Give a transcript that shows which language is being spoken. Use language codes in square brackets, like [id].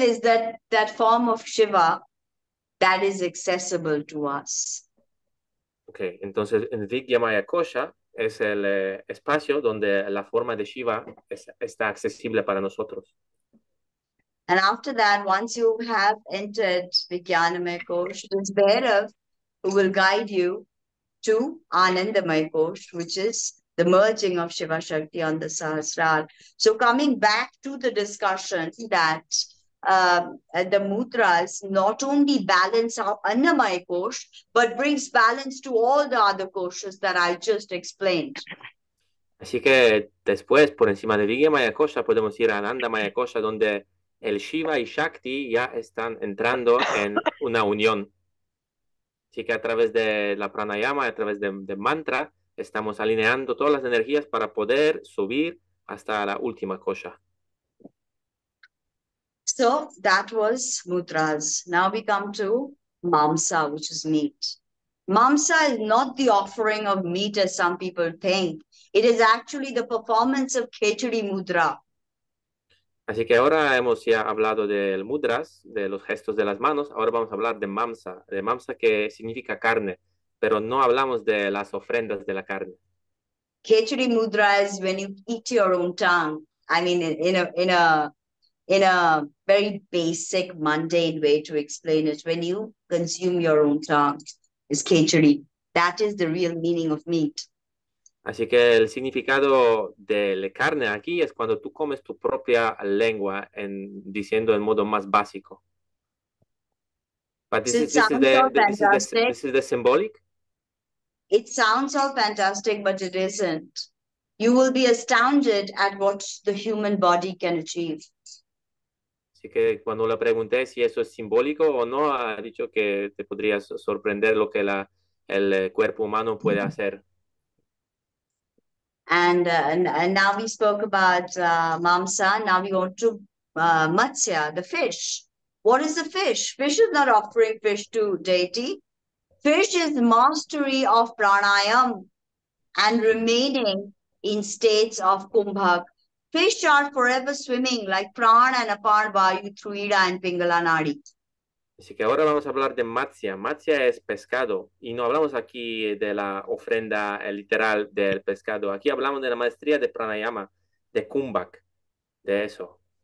[en] is that form of Shiva that is accessible to us. [es] Okay, entonces en Vidyamaya Kosha es el espacio donde la forma de Shiva está accesible para nosotros. [en] And after that, once you have entered Vidyanamaya Kosha, it's Bhairav who will guide you to Anandamaya Kosha, which is the merging of Shiva Shakti on the Sahasrara. So coming back to the discussion that the mudras not only balance our Annamaya Kosha, but brings balance to all the other koshas that I just explained. [es] Así que después, por encima de Vijnanamaya Kosha, podemos ir a Anandamaya Kosha, donde el Shiva y Shakti ya están entrando en una unión. Así que a través de la pranayama, a través de mantra, estamos alineando todas las energías para poder subir hasta la última kosha. [en] So that was mudras. Now we come to mamsa, which is meat. Mamsa is not the offering of meat as some people think. It is actually the performance of khechari mudra. [es] Así que ahora hemos ya hablado del mudras, de los gestos de las manos. Ahora vamos a hablar de mamsa que significa carne, pero no hablamos de las ofrendas de la carne. [en] Khechari mudra is when you eat your own tongue. I mean, in a very basic, mundane way to explain it, when you consume your own tongue, is khechari. That is the real meaning of meat. [es] Así que el significado de la carne aquí es cuando tú comes tu propia lengua, en diciendo en modo más básico. [en] But this is the symbolic. It sounds all fantastic, but it isn't. You will be astounded at what the human body can achieve. [es] Así que cuando le pregunté si eso es simbólico o no, ha dicho que te podrías sorprender lo que el cuerpo humano puede hacer. [en] And now we spoke about mamsa. Now we go to matsya, the fish. What is the fish? Fish is not offering fish to deity. Fish is mastery of pranayama and remaining in states of kumbhak. Fish are forever swimming like prana and apar vayu through ida and pingala nadi. [es] Así que ahora vamos a hablar de matsya. Matsya es pescado. Y no hablamos aquí de la ofrenda literal del pescado. Aquí hablamos de la maestría de pranayama, de kumbhak, de eso.